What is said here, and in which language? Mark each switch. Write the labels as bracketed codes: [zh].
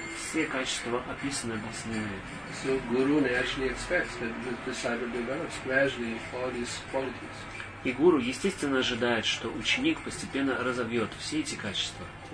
[ru] Все качества описаны в основном. [en] So guru naturally expects that the disciple develops gradually all these qualities. [ru] И гуру естественно ожидает, что ученик постепенно разовьет все эти качества.